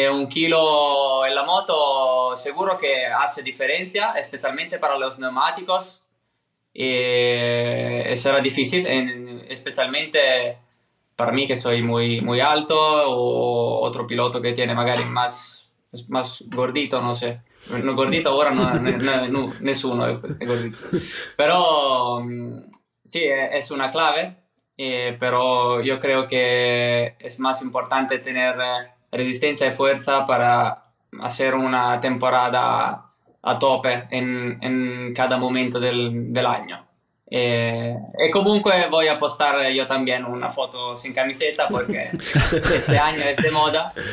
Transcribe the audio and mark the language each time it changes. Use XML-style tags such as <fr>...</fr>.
<es>1 kilo en la moto seguro que hace diferencia, especialmente para los neumáticos. Y será difícil, especialmente para mí que soy muy, muy alto o otro piloto que tiene</es> <it>magari</it> <es>más gordito, no sé. No gordito ahora, no,</es> <it>nessuno è gordito.</it> <es>Però sí, es una clave. Pero yo creo que es más importante tener resistencia y fuerza para hacer una temporada a tope en cada momento del año. Y</es> <it>comunque</it> <es>voy a postar yo también una foto sin camiseta porque este año es de moda.</es>